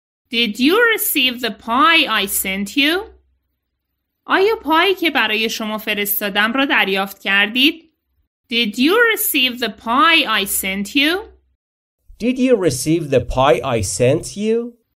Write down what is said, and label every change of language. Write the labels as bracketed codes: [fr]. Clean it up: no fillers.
[en] Did you receive the pie I sent you? [fa] آیا پایی که برای شما فرستادم را دریافت کردید؟ [en] Did you receive the pie I sent you? Did you receive the pie I sent you?